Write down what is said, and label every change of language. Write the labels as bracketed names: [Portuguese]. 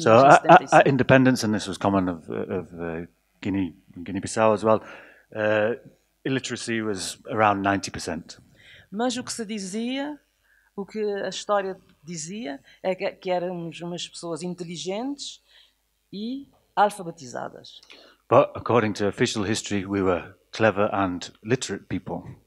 [English] So, at independence, and this was common of Guinea-Bissau as well, illiteracy was around 90%. [Portuguese] Mas o que se dizia, o que a história dizia, é que éramos umas pessoas inteligentes e alfabetizadas. [English] But according to official history, we were clever and literate people.